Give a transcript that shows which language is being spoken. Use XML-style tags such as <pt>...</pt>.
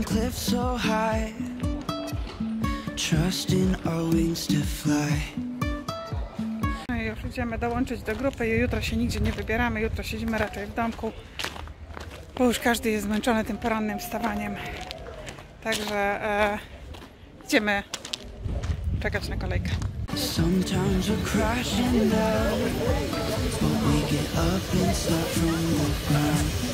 <en>So high, trusting our wings to fly.</en> <pl>No i już idziemy dołączyć do grupy i jutro się nigdzie nie wybieramy. Jutro siedzimy raczej w domku, bo już każdy jest zmęczony tym porannym wstawaniem. Także idziemy czekać na kolejkę.</pl> <en>Sometimes we're crashing down, but we get up and start from the ground.</en>